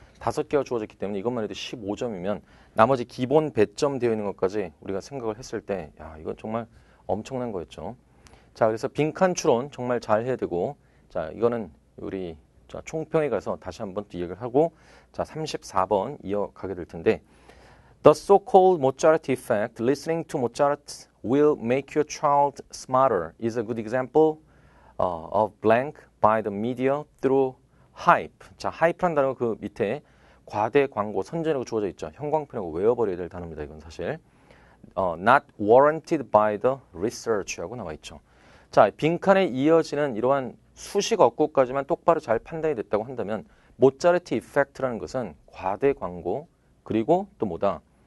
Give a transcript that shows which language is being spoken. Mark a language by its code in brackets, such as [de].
[ko] 5개가 주어졌기 때문에 이것만 해도 15점이면 나머지 기본 배점되어 있는 것까지 우리가 생각을 했을 때, 야, 이건 정말 엄청난 거였죠. 자, 그래서 빈칸 추론 정말 잘 해야 되고, 자, 이거는 우리 총평에 가서 다시 한번 또 얘기를 하고, 자, 34번 이어가게 될 텐데. [en] The so-called Mozart effect, listening to Mozart will make your child smarter, is a good example of blank by the media through hype. [ko] 자, hype란 단어 그 밑에 과대 광고, 선전이라고 주어져 있죠. 형광펜으로 외워버려야 될 단어입니다. 이건 사실. [en] Not warranted by the research [ko] 라고 나와 있죠. 자, 빈칸에 이어지는 이러한 수식 어구까지만 똑바로 잘 판단이 됐다고 한다면, 모차르트 이펙트라는 것은 과대 광고, 그리고 또 뭐다?